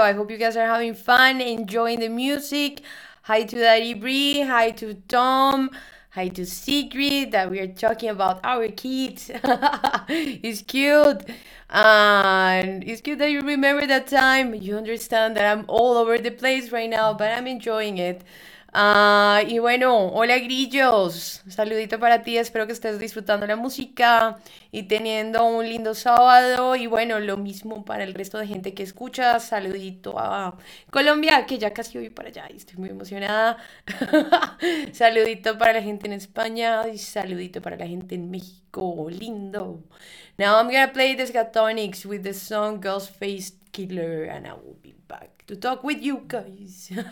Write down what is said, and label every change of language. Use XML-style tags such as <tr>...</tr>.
<en>I hope you guys are having fun, enjoying the music. Hi to Daddy Bree, hi to Tom, hi to Sigrid, that we are talking about our kids. It's cute. And it's cute that you remember that time. You understand that I'm all over the place right now, but I'm enjoying it.</en> <es>Y bueno, hola grillos, saludito para ti, espero que estés disfrutando la música y teniendo un lindo sábado. Y bueno, lo mismo para el resto de gente que escucha, saludito a Colombia, que ya casi voy para allá y estoy muy emocionada. Saludito para la gente en España y saludito para la gente en México, lindo.</es> <en>Now I'm gonna play the Skatonics with the song Girls Face Killer and I will be back to talk with you guys.</en>